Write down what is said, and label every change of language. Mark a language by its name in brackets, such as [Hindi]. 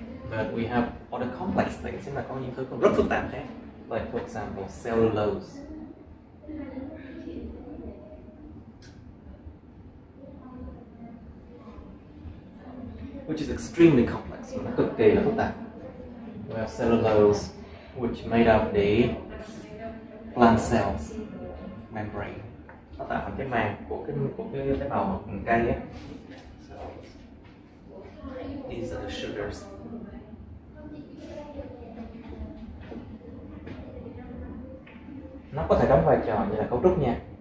[English] But we have other complex things. [Vietnamese] Chúng ta có những thứ còn rất phức tạp thế. [English] Like for example, cellulose. Which is extremely complex, [Vietnamese] cực kỳ là phức tạp. [English] We have cellulose, which made up the plant cells membrane. [Vietnamese] Nó tạo thành cái màng của cái tế bào cây á. [English] So, these are the sugars. [Vietnamese] Nó có thể đóng vai trò như là cấu trúc nha.